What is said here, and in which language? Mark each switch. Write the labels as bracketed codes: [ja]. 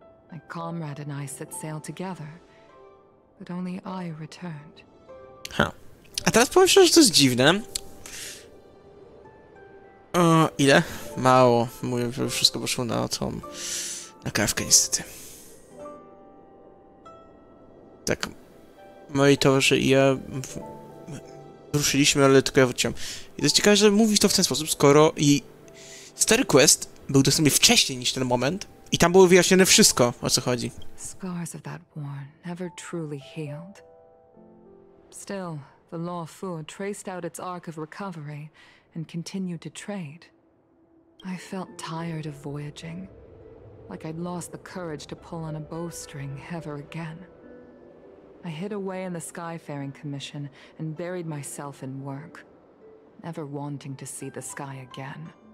[en] My comrade and I set sail together, but only I returned. Huh. [pl] A teraz powiem szczerze, że to jest dziwne. O, ile? Mało. Mówię, że wszystko poszło na tą... na kawkę, niestety. Tak. Moi towarzysze i ja... ruszyliśmy, ale tylko ja wróciłem. I to jest ciekawe, że mówi to w ten sposób, skoro i... Stary Quest był dostępny wcześniej niż ten moment. I tam było wyjaśnione wszystko, o co chodzi. [en] Scars of that war never truly healed. Still... The Law Fu traced out its arc of recovery and continued to trade. I felt tired of voyaging, like I'd lost the courage to pull on a bowstring ever again. I hid away in the Skyfaring Commission and buried myself in work, never wanting to see the sky again.